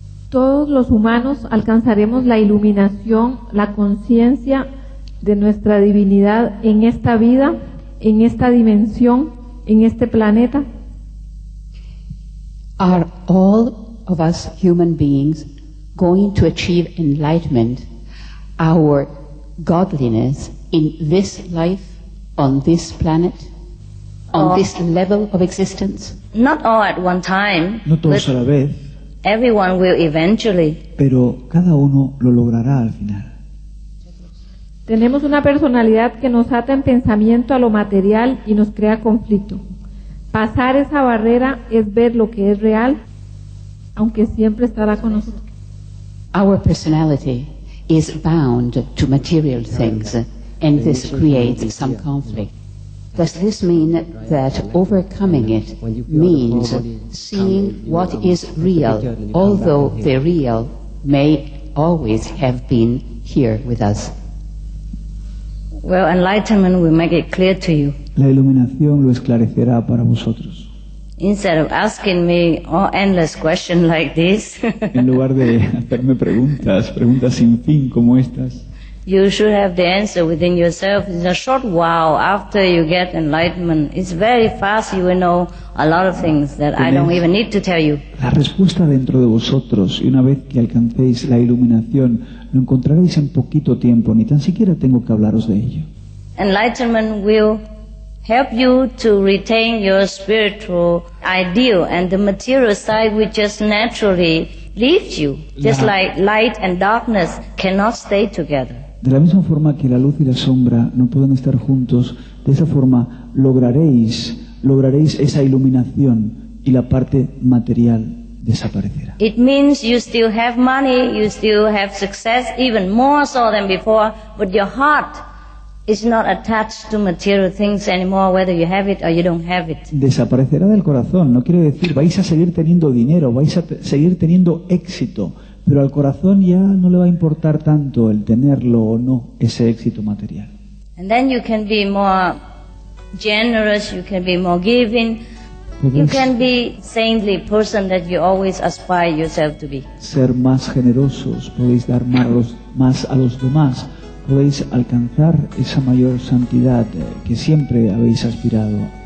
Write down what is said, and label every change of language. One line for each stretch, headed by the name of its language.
Spanish: Todos los humanos alcanzaremos la iluminación, la conciencia de nuestra divinidad en esta vida, en esta dimensión, en este planeta?
English: Are all of us human beings going to achieve enlightenment, our godliness, in this life, on this planet, on this level of existence? Not all at one time.
Spanish: No todos a la vez.
English: Everyone will eventually.
Spanish: Pero cada uno lo logrará al final. Tenemos una personalidad que nos ata en pensamiento a lo material y nos crea conflicto. Pasar esa barrera es ver lo que es real, aunque siempre estará con nosotros.
English: Our personality is bound to material things, and this creates some conflict. Does this mean that overcoming it means seeing what is real, although the real may always have been here with us? Well, enlightenment will make it clear to you.
Spanish: La iluminación lo esclarecerá para vosotros.
English: Instead of asking me all endless questions like this,
Spanish: en lugar de hacerme preguntas sin fin como estas,
English: you should have the answer within yourself in a short while after you get enlightenment. It's very fast, you will know a lot of things that I don't even need to tell you.
Spanish: La respuesta dentro de vosotros, y una vez que alcancéis la iluminación, lo encontraréis en poquito tiempo, ni tan siquiera tengo que hablaros de ello.
English: Enlightenment will help you to retain your spiritual ideal, and the material side will just naturally leave you, just like light and darkness cannot stay together.
Spanish: De la misma forma que la luz y la sombra no pueden estar juntos, de esa forma lograréis esa iluminación y la parte material desaparecerá.
English: It means you still have money, you still have success, even more so than before, but your heart is not attached to material things anymore, whether you have it or you don't have it.
Spanish: Desaparecerá del corazón, no quiere decir vais a seguir teniendo dinero, vais a seguir teniendo éxito. Pero al corazón ya no le va a importar tanto el tenerlo o no, ese éxito material.
English: And then you can be more generous, you can be more giving, you can be saintly person that you always aspire yourself to be.
Spanish: Ser más generosos, podéis dar más a los demás, podéis alcanzar esa mayor santidad que siempre habéis aspirado.